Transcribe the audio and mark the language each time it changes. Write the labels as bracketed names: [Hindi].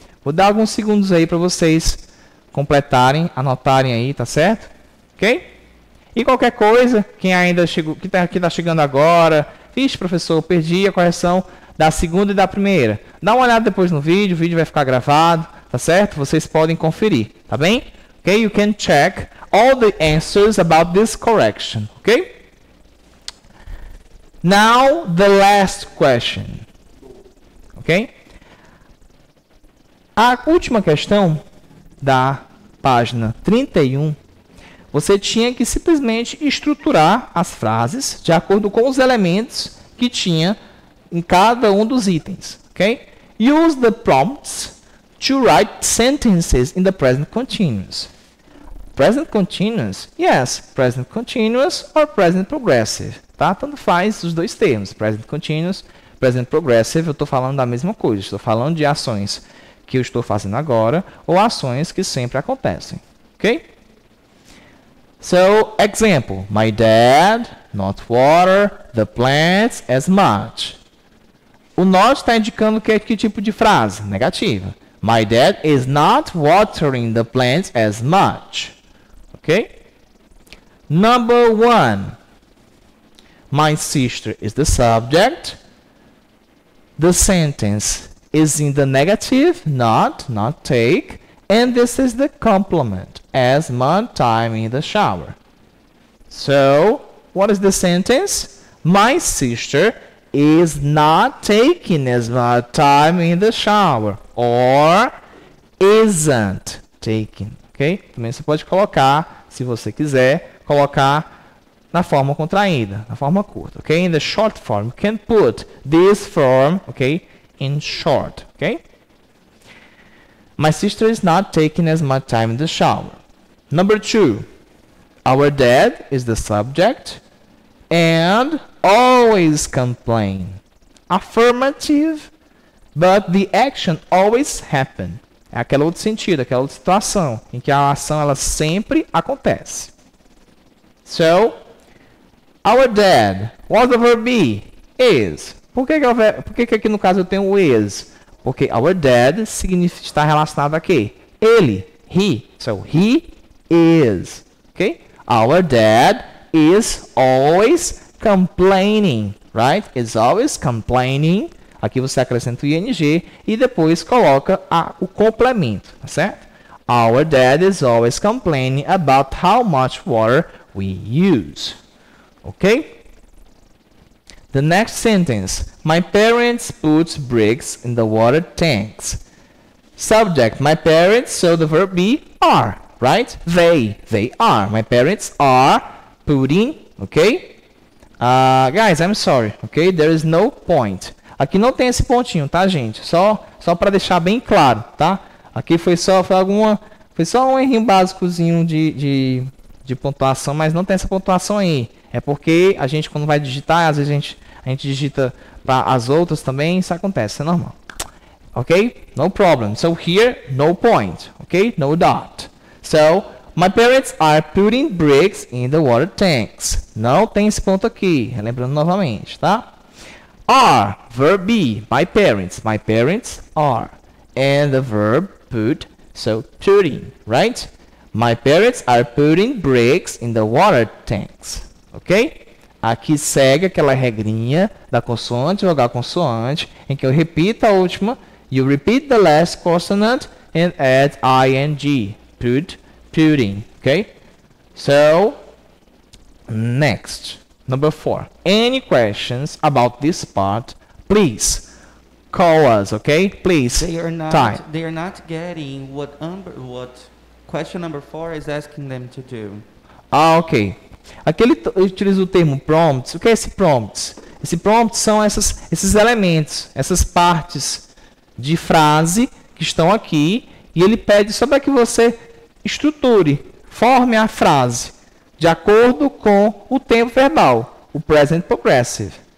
[Portuguese] Vou dar alguns segundos aí para vocês completarem, anotarem aí, tá certo? Ok? E qualquer coisa, quem ainda chegou, que tá chegando agora, vixe, professor, perdi a correção da segunda e da primeira. Dá uma olhada depois no vídeo, o vídeo vai ficar gravado, tá certo? Vocês podem conferir, tá bem? Ok? [English] You can check all the answers about this correction, okay? Now, the last question, okay? [Portuguese] A última questão da página 31, você tinha que simplesmente estruturar as frases de acordo com os elementos que tinha em cada um dos itens, okay? [English] Use the prompts to write sentences in the present continuous. Present continuous, yes, present continuous or present progressive, tá? [Portuguese] Tanto faz os dois termos, present continuous, present progressive, eu estou falando da mesma coisa, estou falando de ações que eu estou fazendo agora ou ações que sempre acontecem, ok? [English] So, example, my dad not water the plants as much. [Portuguese] O not está indicando que tipo de frase? Negativa. [English] My dad is not watering the plants as much. Okay. Number one, my sister is the subject. The sentence is in the negative, not take. And this is the complement, as much time in the shower. So, what is the sentence? My sister is not taking as much time in the shower. Or isn't taking. Okay? [Portuguese] Também você pode colocar, se você quiser, colocar na forma contraída, na forma curta, ok? [English] In the short form, you can put this form, ok? In short, ok? My sister is not taking as much time in the shower. Number two, our dad is the subject and always complain. Affirmative, but the action always happens. [Portuguese] É aquele outro sentido, aquela outra situação, em que a ação, ela sempre acontece. [English] So, our dad, what's the verb be? Is. [Portuguese] Por que aqui no caso eu tenho o is? Porque our dad significa estar relacionado a quê? Ele, he. [English] So, he is. Okay? Our dad is always complaining, right? Is always complaining. [Portuguese] Aqui você acrescenta o ing e depois coloca o complemento, tá certo? [English] Our dad is always complaining about how much water we use. Ok? The next sentence. My parents put bricks in the water tanks. Subject. My parents. So, the verb be are, right? They are. My parents are putting, ok? Guys, I'm sorry, ok? There is no point. [Portuguese] Aqui não tem esse pontinho, tá, gente? Só para deixar bem claro, tá? Aqui foi só um errinho básicozinho de pontuação, mas não tem essa pontuação aí. É porque a gente, quando vai digitar, às vezes a gente digita para as outras também, isso acontece, é normal. [English] Ok? No problem. So here, no point. Ok? No dot. So, my parents are putting bricks in the water tanks. [Portuguese] Não tem esse ponto aqui. Lembrando novamente, tá? [English] Are, verb be, my parents. My parents are. And the verb put, so putting, right? My parents are putting bricks in the water tanks. Ok? [Portuguese] Aqui segue aquela regrinha da consoante, vogal consoante, em que eu repito a última. [English] You repeat the last consonant and add ing, putting, okay? So, next, number four. Any questions about this part, please call us, okay? Please, they are not, time. They are not getting what question number four is asking them to do. [Portuguese] Ah, okay. Aqui ele utiliza o termo prompts. O que é esse prompts? Esse prompts são esses elementos, essas partes de frase que estão aqui, e ele pede só para que você estruture, forme a frase de acordo com o tempo verbal, o present progressive.